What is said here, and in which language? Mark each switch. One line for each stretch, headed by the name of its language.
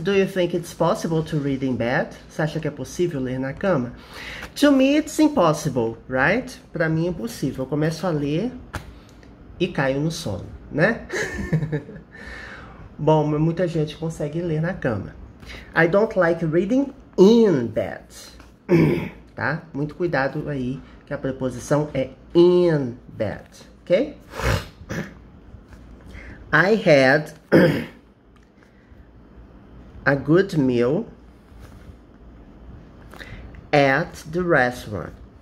English: Do you think it's possible to read in bed?
Portuguese: Você acha que é possível ler na cama?
English: To me, it's impossible, right?
Portuguese: Para mim, é impossível. Eu começo a ler e caio no sono, né? Bom, muita gente consegue ler na cama.
English: I don't like reading in bed.
Portuguese: Tá? Muito cuidado aí, que a preposição é in bed, ok?
English: I had a good meal at the restaurant.